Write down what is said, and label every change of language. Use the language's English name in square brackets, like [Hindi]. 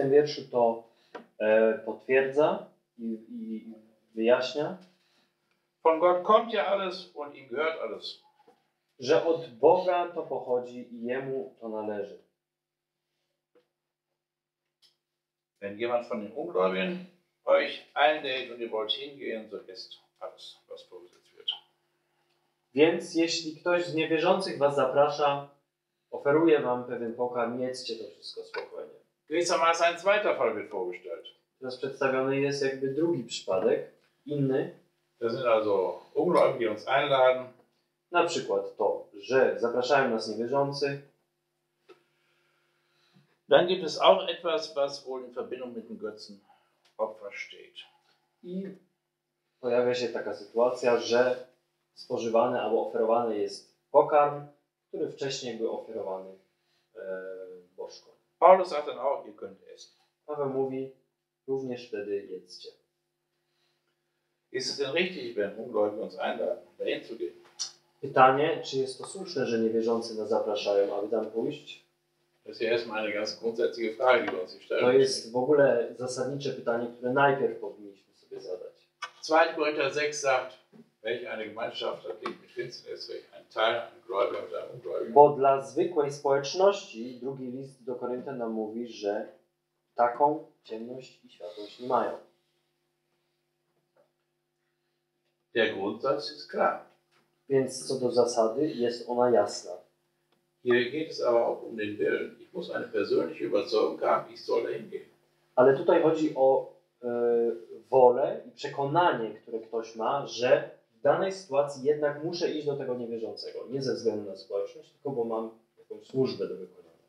[Polish] wierszu to potwierdza i wyjaśnia. [German] Von Gott kommt ja alles und ihm gehört alles. [Polish] Że od Boga to pochodzi i jemu to należy. [German] Wenn jemand von den Ungläubigen euch einlädt und ihr wollt hingehen, so ist alles, was vorgesetzt wird. [Polish] Więc jeśli ktoś z niewierzących was zaprasza, oferuje wam pewien pokarm, jedzcie to wszystko spokojnie. [German] gewissermaßen ein zweiter Fall wird vorgestellt. [Polish] Das przedstawione jest jakby drugi przypadek, inny. [German] Das sind also Ungläubige, die uns einladen. [Polish] Na przykład to, że zapraszają nas niewierzący. [German] Dann gibt es auch etwas, was wohl in Verbindung mit dem Götzenopfer steht. [Polish] I pojawia się taka sytuacja, że spożywany albo oferowany jest pokarm, który wcześniej był oferowany bożkom. [German] Paulus sagt dann auch, ihr könnt essen. [Polish] Paweł mówi, również wtedy jedzcie. [German] Ist es denn richtig, wenn Ungläubige uns einladen, dahin zu gehen? [Polish] Pytanie, czy jest to słuszne, że niewierzący nas zapraszają, aby tam pójść? [German] Das ist erstmal eine ganz grundsätzliche Frage, die wir uns stellen. [Polish] To jest w ogóle zasadnicze pytanie, które najpierw powinniśmy sobie zadać. [German] 2 Korinther 6 sagt, welche eine Gemeinschaft hat die mit Finsternis, welche ein Teil an Gläubigen oder Ungläubigen. [Polish] Bo dla zwykłej społeczności drugi list do Koryntian nam mówi, że taką ciemność i światłość nie mają. [German] Der Grundsatz ist klar. [Polish] Więc co do zasady jest ona jasna. [German] Hier geht es aber auch um den Willen. Ich muss eine persönliche Überzeugung haben, ich soll dahin gehen. [Polish] Ale tutaj chodzi o wolę i przekonanie, które ktoś ma, że w danej sytuacji jednak muszę iść do tego niewierzącego. Nie ze względu na społeczność, tylko bo mam jakąś służbę do wykonania.